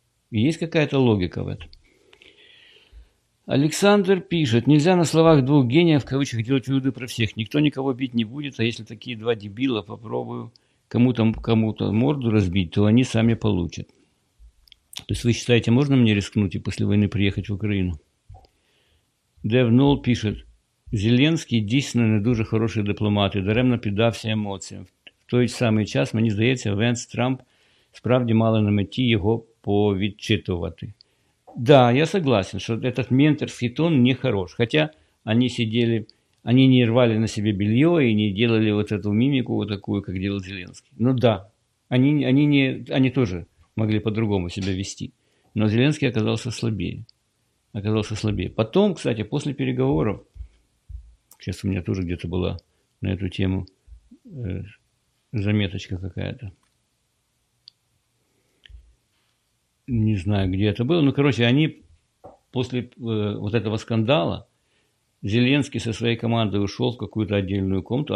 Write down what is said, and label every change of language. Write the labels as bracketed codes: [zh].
[ru] Есть какая-то логика в этом? Александр пишет. Нельзя на словах двух гениев, в кавычках, делать выводы про всех. Никто никого бить не будет, а если такие два дебила попробуют кому-то морду разбить, то они сами получат. То есть вы считаете, можно мне рискнуть и после войны приехать в Украину? Дев Нолл пишет. [uk] Зеленський дійсно не дуже хороший дипломат і даремно піддався емоціям. В той самий час, мені здається, Венц Трамп справді мали на меті його повідчитувати. [ru] Да, я согласен, що этот менторський тон не хорош. [uk] Хоча вони сиділи, вони не рвали [ru] на себе белье і не делали вот эту мимику, вот такую, як делал Зеленський. [uk] Ну да, вони теж могли по-другому себе вести. [ru] Но Зеленський оказався слабее. Потом, кстати, [uk] після переговорів, [ru] сейчас у меня тоже где-то была на эту тему заметочка какая-то. Не знаю, где это было. Ну, короче, они после вот этого скандала Зеленский со своей командой ушел в какую-то отдельную комнату.